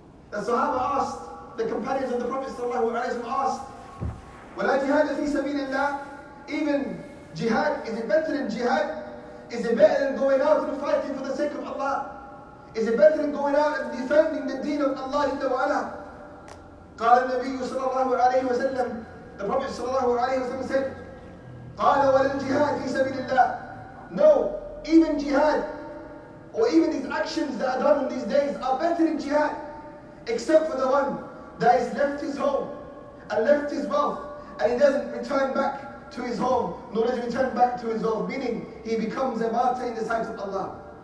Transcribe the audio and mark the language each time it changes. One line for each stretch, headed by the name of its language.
English: The Sahaba asked, the companions of the Prophet sallallahu alaihi wasallam asked,
Arabic: وَلَا جِهَادَ فِي سَبِيلِ اللَّهِ.
English: Even jihad, is it better than jihad? Is it better than going out and fighting for the sake of Allah? Is it better than going out and defending the deen of Allah جل وعلا?
Arabic: قال النبي صلى الله عليه وسلم,
English: the Prophet
Arabic: صلى الله عليه وسلم said, قال وللجهاد في سبيل الله.
English: No, even jihad or even these actions that are done on these days are better than jihad, except for the one that has left his home and left his wealth and he doesn't return back to his home, nor does he return back to his wealth, meaning he becomes a martyr in the sight of Allah.